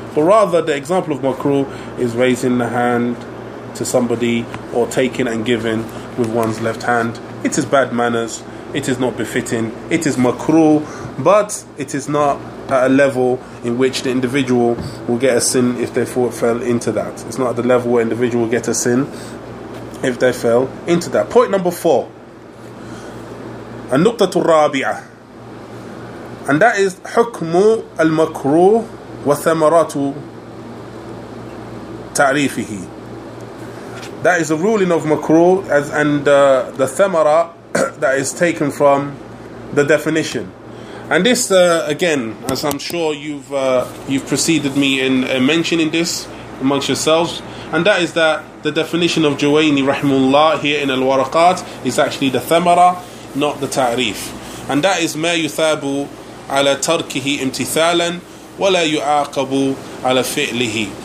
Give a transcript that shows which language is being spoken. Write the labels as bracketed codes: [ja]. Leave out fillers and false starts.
[en] But rather, the example of makruh is raising the hand to somebody, or taking and giving with one's left hand. It is bad manners. It is not befitting. It is makruh. But it is not at a level in which the individual will get a sin if they fell into that. It's not at the level where individual will get a sin if they fell into that. Point number four. [ar] An-nuqtatu rabi'ah. [en] And that is [ar] حكم المكروه وثمرات تعريفه. [en] That is the ruling of makruh as and the thamara that is taken from the definition. And this again, as I'm sure you've preceded me in mentioning this amongst yourselves, and that is that the definition of Juwayni rahimullah here in al-Waraqat is actually the thamara, not the ta'rif. And that is [ar] ما يثاب على تركه امتثالا ولا يعاقب على فعله.